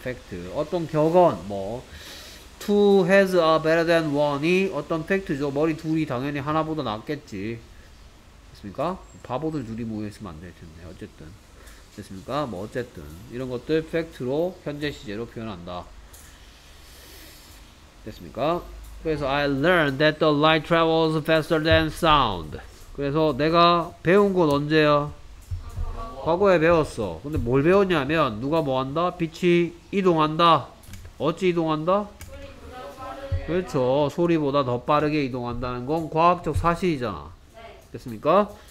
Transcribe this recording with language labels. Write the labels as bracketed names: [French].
[Korean] 팩트. 어떤 격언 뭐 [English] two heads are better than one [Korean] 이 어떤 팩트죠. 머리 둘이 당연히 하나보다 낫겠지. 됐습니까? 바보들 둘이 모여있으면 안 될 텐데 어쨌든 됐습니까? 뭐 어쨌든 이런 것들 팩트로 현재 시제로 표현한다. 됐습니까? [English] 그래서 I learned that the light travels faster than sound. [Korean] 그래서 내가 배운 건 언제야? 과거에 배웠어. 근데 뭘 배웠냐면 누가 뭐 한다? 빛이 이동한다. 어찌 이동한다? 그렇죠. 소리보다 더 빠르게 이동한다는 건 과학적 사실이잖아. 됐습니까?